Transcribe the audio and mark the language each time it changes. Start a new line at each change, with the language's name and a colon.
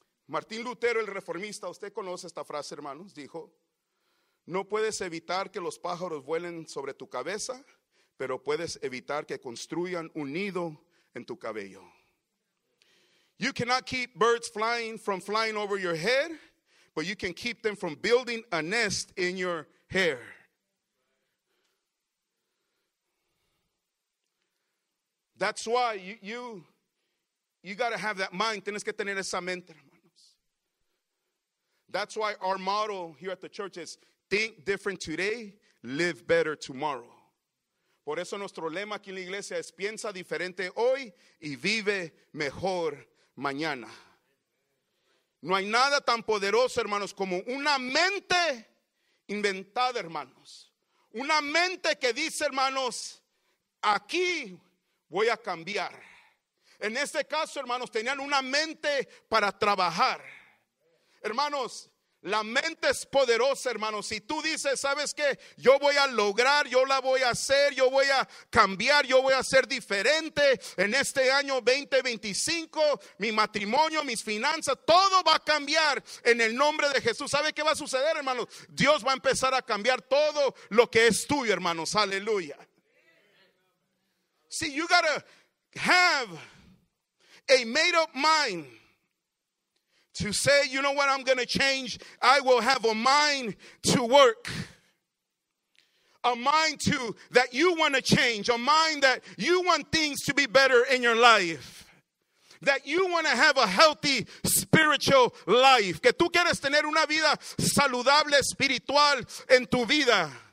Spanish: Martín Lutero, el reformista, usted conoce esta frase, hermanos, dijo: no puedes evitar que los pájaros vuelen sobre tu cabeza, pero puedes evitar que construyan un nido en tu cabello.
English: You cannot keep birds flying from flying over your head, but you can keep them from building a nest in your hair. That's why you got to have that mind.
Spanish: Tienes que tener esa mente, hermanos.
English: That's why our motto here at the church is think different today, live better tomorrow.
Spanish: Por eso nuestro lema aquí en la iglesia es piensa diferente hoy y vive mejor mañana. No hay nada tan poderoso, hermanos, como una mente inventada, hermanos. Una mente que dice, hermanos, aquí voy a cambiar. En este caso, hermanos, tenían una mente para trabajar. Hermanos, la mente es poderosa, hermanos. Si tú dices, ¿sabes qué? Yo voy a lograr, yo la voy a hacer, yo voy a cambiar, yo voy a ser diferente. En este año 2025, mi matrimonio, mis finanzas, todo va a cambiar en el nombre de Jesús. ¿Sabe qué va a suceder, hermanos? Dios va a empezar a cambiar todo lo que es tuyo, hermanos. Aleluya.
English: See, you gotta have a made up mind to say, you know what, I'm gonna change. I will have a mind to work. A mind to that you wanna change. A mind that you want things to be better in your life. That you wanna have a healthy spiritual life.
Spanish: Que tú quieres tener una vida saludable espiritual en tu vida.